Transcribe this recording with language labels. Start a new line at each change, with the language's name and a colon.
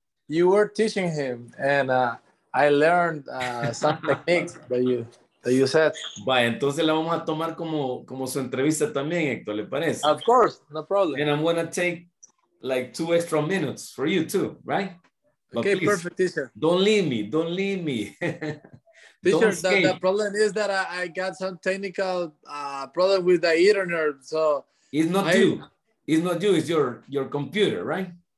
English: You were teaching him, and I learned some techniques that you said.
Spanish: Vaya, entonces la vamos a tomar como su entrevista también, Héctor, ¿le parece?
English: Of course, no problem. And I'm going to take like 2 extra minutes for you too, right? But okay, please, perfect, teacher. Don't leave me. Teacher, the problem is that I got some technical problem with the internet, so... It's not you, it's your computer, right?